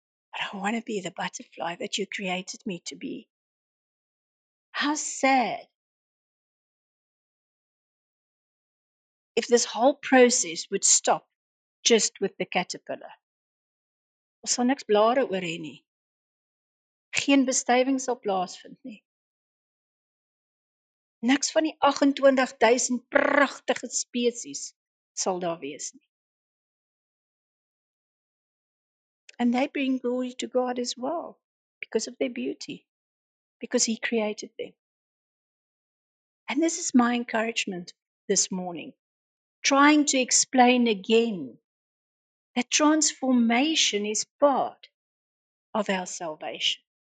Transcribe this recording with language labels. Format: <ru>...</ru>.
<en>But I want to be the butterfly that you created me to be. How sad if this whole process would stop just with the caterpillar.</en> <af>Ons sal niks blare oor hê nie. Geen bestuiving sal plaasvind nie. Niks van die 28,000 pragtige species sal daar wees nie.</af> <en>And they bring glory to God as well because of their beauty. Because he created them. And this is my encouragement this morning, trying to explain again that transformation is part of our salvation.</en>